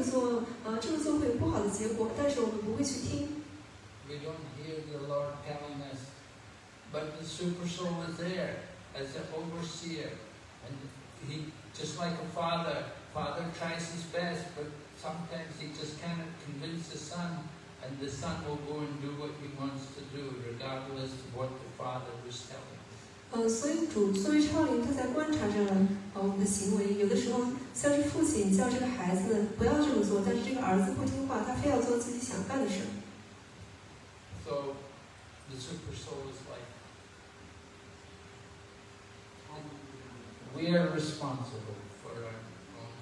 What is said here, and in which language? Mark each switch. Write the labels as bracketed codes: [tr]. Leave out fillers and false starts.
[zh] 作为一个允许者，他像是我们的祝福者，像是一个父亲的时候，有时他会提醒我们不要这么做，这么做会有不好的结果，但是我们不会去听。 [en] We don't hear the Lord telling us. But the super soul is there as an overseer, and he, just like a father, father tries his best, but sometimes he just cannot convince the son, and the son will go and do what he wants to do, regardless of what the father was telling. [zh] 所以主，作为超灵，他在观察着我们的行为。有的时候，像是父亲叫这个孩子不要这么做，但是这个儿子不听话，他非要做自己想干的事。 [en] So the super soul is like, we are responsible for our own